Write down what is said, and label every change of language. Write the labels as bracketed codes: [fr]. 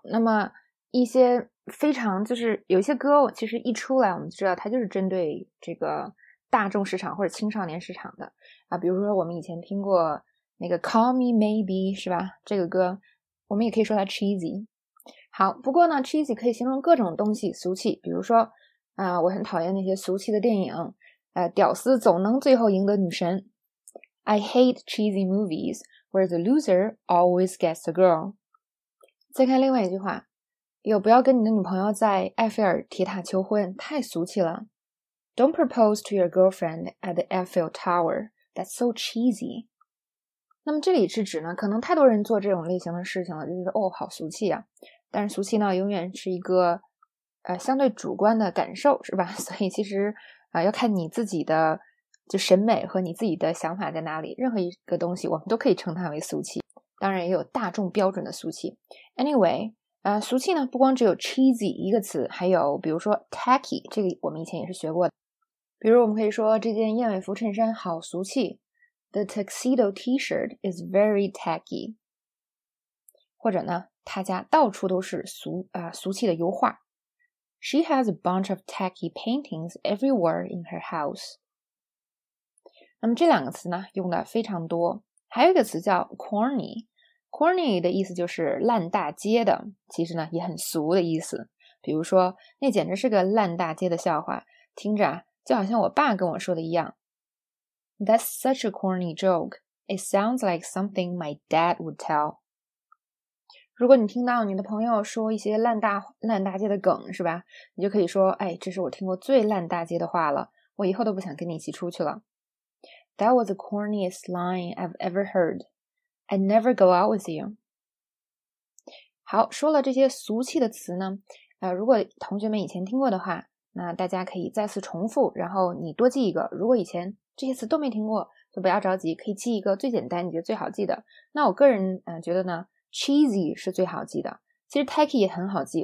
[zh] 那么一些非常就是有一些歌其实一出来我们知道它就是针对这个大众市场或者青少年市场的比如说我们以前听过那个 Call Me Maybe 是吧，这个歌我们也可以说它 cheesy。好，不过呢 cheesy 可以形容各种东西俗气，比如说我很讨厌那些俗气的电影屌丝总能最后赢得女神。 [en] I hate cheesy movies where the loser always gets the girl. [zh] 再看另外一句话，有不要跟你的女朋友在埃菲尔铁塔求婚，太俗气了。 [en] Don't propose to your girlfriend at the Eiffel Tower. That's so cheesy. [zh] 那么这里是指呢，可能太多人做这种类型的事情了，就觉得哦，好俗气啊。但是俗气呢，永远是一个相对主观的感受，是吧？所以其实要看你自己的就审美和你自己的想法在哪里，任何一个东西我们都可以称它为俗气，当然也有大众标准的俗气。 Anyway 俗气呢不光只有 cheesy 一个词，还有比如说 tacky， 这个我们以前也是学过的，比如我们可以说这件燕尾服衬衫好俗气， [en] The tuxedo t-shirt is very tacky， [zh] 或者呢他家到处都是俗气的油画， [en] She has a bunch of tacky paintings everywhere in her house。 [zh] 那么这两个词呢用的非常多，还有一个词叫 corny， corny 的意思就是烂大街的，其实呢也很俗的意思，比如说那简直是个烂大街的笑话，听着就好像我爸跟我说的一样。 [en] That's such a corny joke. It sounds like something my dad would tell. [zh] 如果你听到你的朋友说一些烂大街的梗是吧，你就可以说哎，这是我听过最烂大街的话了，我以后都不想跟你一起出去了。 [en] That was the corniest line I've ever heard. I'd never go out with you. [zh] 好，说了这些俗气的词呢如果同学们以前听过的话，那大家可以再次重复，然后你多记一个。如果以前这些词都没听过就不要着急，可以记一个最简单你觉得最好记的。那我个人觉得呢 cheesy 是最好记的，其实 tacky 也很好记。